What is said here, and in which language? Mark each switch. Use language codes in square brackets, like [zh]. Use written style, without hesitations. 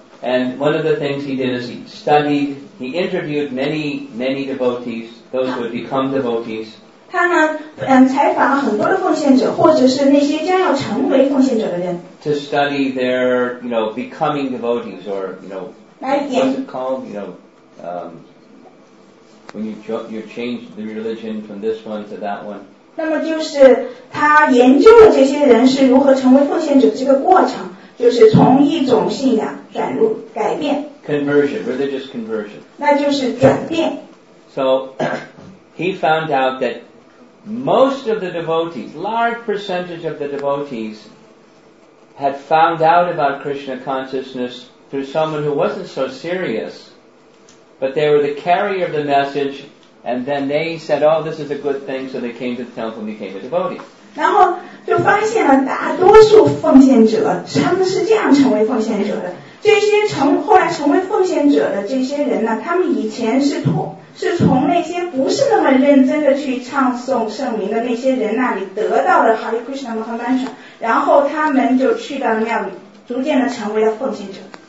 [en] And one of the things he did is he studied, he interviewed many, many devotees, those who had become devotees. [zh] 他呢，采访了很多的奉献者，或者是那些将要成为奉献者的人。 [en] To study their, you know, becoming devotees, or, you know, what's it called? You know, when you change the religion from this one to that one. [zh] 那么就是他研究了这些人是如何成为奉献者这个过程。就是从一种信仰转入改变 [en] conversion, religious conversion [zh] 那就是转变 [en] so he found out that most of the devotees large percentage of the devotees had found out about Krishna consciousness through someone who wasn't so serious but they were the carrier of the message and then they said oh this is a good thing so they came to the temple and became a devotee [zh] 然后就发现了大多数奉献者他们是这样成为奉献者的这些后来成为奉献者的这些人呢他们以前是从那些不是那么认真的去唱诵圣名的那些人那里得到了 Hare Krishna Maha Mantra 然后他们就去到庙里逐渐的成为了奉献者